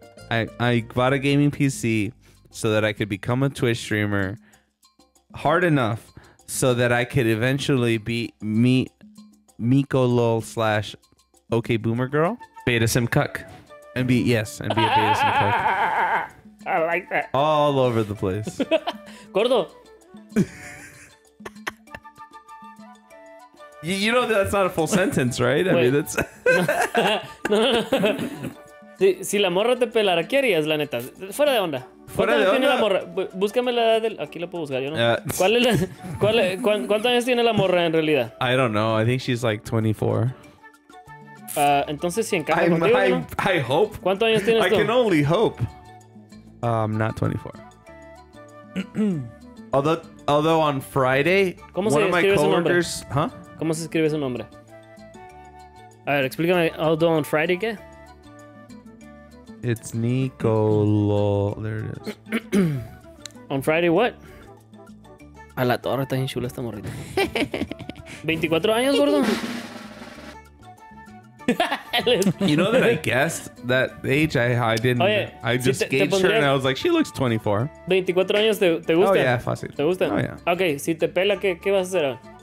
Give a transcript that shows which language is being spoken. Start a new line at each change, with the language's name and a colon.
English: I bought a gaming PC so that I could become a Twitch streamer hard enough so that I could eventually be Miko Lol / OK Boomer Girl. Beta Sim Cuck. And be, yes, and be a Beta Sim Cuck. I like that. All over the place. Gordo. You know that's not a full sentence, right? Wait. I mean, that's... No.
Spanish: Si la morra te pelara, ¿qué harías, la neta? Fuera de onda. Fuera de onda. ¿Tiene la morra? Búscame la edad del... Aquí la puedo buscar, yo no. ¿Cuál es la... ¿Cuántos años tiene la morra en realidad?
English: I don't know. I think she's like 24.
Spanish: Entonces, si encaja contigo, ¿no?
English: I hope.
Spanish: ¿Cuántos años tienes tú?
English: I can only hope. I'm not 24. Although on Friday,
Spanish: ¿cómo
English: one of my coworkers... Huh?
Spanish: ¿Cómo se escribe su nombre? A ver, explícame.
English: Although on Friday,
Spanish: ¿qué?
English: It's Nicolo. There it is. On Friday, what?
Spanish: A la torre está bien chula esta morrita. ¿24 años, gordo?
English: You know that I guessed that age. I didn't.
Spanish: Oye,
English: I just gauged her and I was like, she looks 24.
Spanish: ¿24 años te gusta?
English: Oh, yeah,
Spanish: fácil. ¿Te gusta?
English: Oh, yeah.
Spanish: Okay, si te pela, ¿qué vas a hacer?